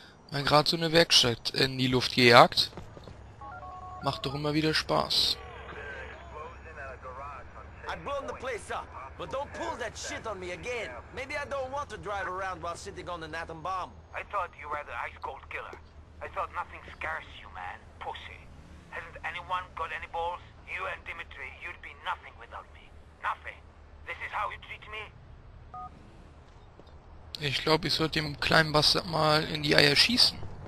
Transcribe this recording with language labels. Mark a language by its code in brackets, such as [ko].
[de] Mal gerade so eine Werkstatt in die Luft gejagt. Macht doch immer wieder Spaß. [en] I've blown the place up, but don't pull that shit on me again. Maybe I don't want to drive around while sitting on an atom bomb. I thought you were the ice cold killer. I thought nothing scares you, man. Pussy. Hasn't anyone got any balls? You and Dimitri, you'd be nothing without me. Nothing. This is how you treat me? [de] Ich glaube, ich sollte dem kleinen Bastard mal in die Eier schießen.